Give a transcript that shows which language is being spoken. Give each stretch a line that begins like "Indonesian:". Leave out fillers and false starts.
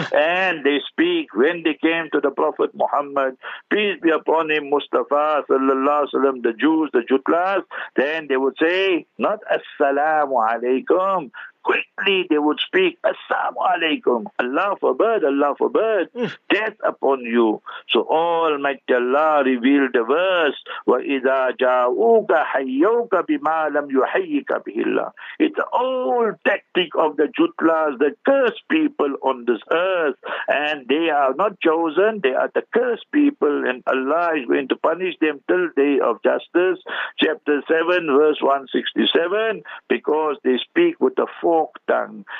English: And they speak when they came to the Prophet Muhammad, peace be upon him, Mustafa, sallallahu alaihi wasallam, the Jews, the Jutlas, then they would say, not assalamu alaikum. Quickly they would speak, assalamu alaikum. Allah forbid, Allah forbid. Death upon you. So Almighty Allah revealed the verse,
Arabic: وَإِذَا جَاءُوكَ حَيَّوكَ بِمَا لَمْ يُحَيِّكَ بِهِ اللَّهِ.
English: It's the old tactic of the Jutlas, the cursed people on this earth. And they are not chosen, they are the cursed people. And Allah is going to punish them till day of justice. Chapter 7, verse 167, because they speak with the fork tongue.